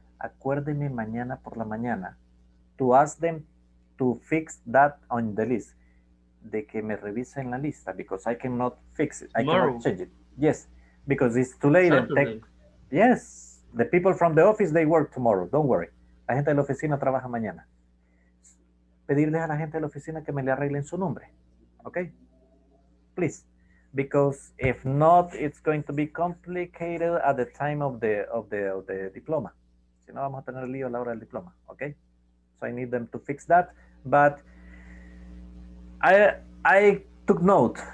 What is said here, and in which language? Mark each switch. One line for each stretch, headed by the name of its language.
Spanish: Acuérdeme mañana por la mañana
English: to ask them to fix that on the list.
Spanish: De que me revisen la lista,
English: because I cannot fix it. Tomorrow. I cannot change it. Yes, because it's too late. Yes, the people from the office, they work tomorrow. Don't worry.
Spanish: La gente de la oficina trabaja mañana. Pedirles a la gente de la oficina que me le arreglen su nombre.
English: Okay? Please. Because if not, it's going to be complicated at the time of the diploma.
Spanish: Si no, vamos a tener lío a la hora del diploma. Okay?
English: So I need them to fix that. But I took note.